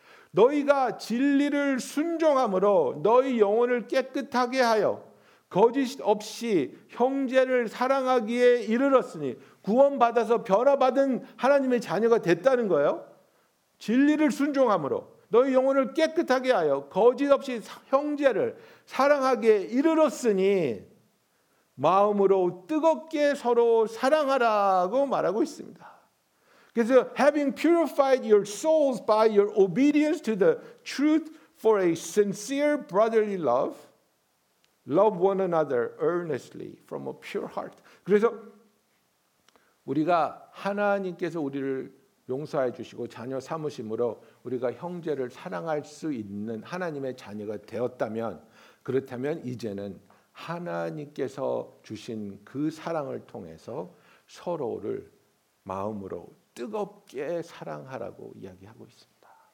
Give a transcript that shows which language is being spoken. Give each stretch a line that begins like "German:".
Korean: 너희가 진리를 순종함으로 너희 영혼을 깨끗하게 하여 거짓 없이 형제를 사랑하기에 이르렀으니, 구원받아서 변화받은 하나님의 자녀가 됐다는 거예요. 진리를 순종함으로 너희 영혼을 깨끗하게 하여 거짓 없이 형제를 사랑하기에 이르렀으니 마음으로 뜨겁게 서로 사랑하라고 말하고 있습니다. 그래서
English: having purified your souls by your obedience to the truth for a sincere brotherly love, love one another earnestly from a pure heart.
Korean: 그래서 우리가 하나님께서 우리를 용서해 주시고 자녀 삼으심으로 우리가 형제를 사랑할 수 있는 하나님의 자녀가 되었다면, 그렇다면 이제는 하나님께서 주신 그 사랑을 통해서 서로를 마음으로 뜨겁게 사랑하라고 이야기하고 있습니다.